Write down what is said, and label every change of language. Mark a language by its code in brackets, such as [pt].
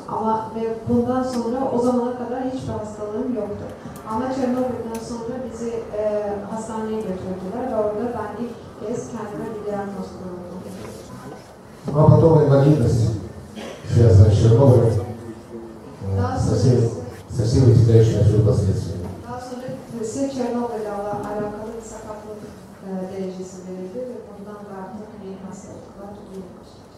[tr] Ama ve bundan sonra o zamana kadar hiçbir hastalığım yoktu. Ama Çernobil'den sonra bizi hastaneye götürdüler ve orada ben ilk kez kendime bir diagnoz koydum. [ru] Ama потом инвалидность связана с Чернобылем. Совсем вытекающие отсюда последствия. [tr] Daha sonra ise Çernobil'le alakalı bir sakatlık derecesi verildi ve bundan da artık bir hastalıklar duyulmuş.